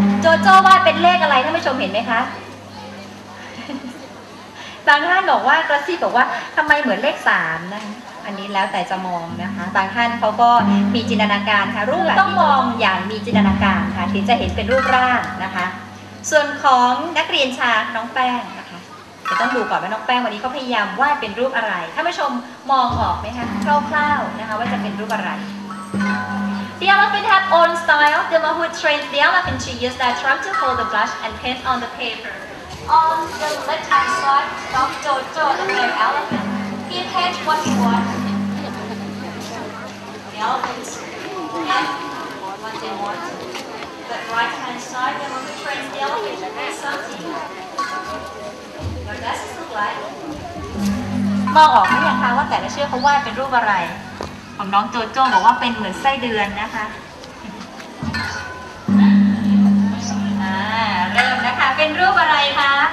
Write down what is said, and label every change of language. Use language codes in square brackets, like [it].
[th] จโจ้วาดเป็นเลขอะไรท่านผู้ชมเห็นไหมคะบางท่านบอกว่ากระซิบบอกว่าทำไมเหมือนเลข3นะอันนี้แล้วแต่จะมองนะคะบางท่านเขาก็มีจินตนาการค่ะรูปแบบต้องมองอย่างมีจินตนาการค่ะถึงจะเห็นเป็นรูปร่างนะคะส่วนของนักเรียนชาน้องแป้งนะคะจะต้องดูก่อนว่าน้องแป้งวันนี้เขาพยายามวาดเป็นรูปอะไรท่านผู้ชมมองออกไหมคะคร่าวๆนะคะว่าจะเป็นรูปอะไร [en] The elephant had own style. The one who trained the elephant to use that trunk to hold the brush and paint on the paper. On the left hand side, Dr. Jojo, the male elephant, he paints what he wants. The elephant paints what they want. The right hand side, the one who trained the elephant to paint something. What does it look like? [th] มองออกหรือยังคะว่าแต่ละเชือกเขาวาดเป็นรูปอะไรของน้องโจโจ้บอกว่าเป็นเหมือนไส้เดือนนะคะ เริ่มนะคะเป็นรูปอะไรคะ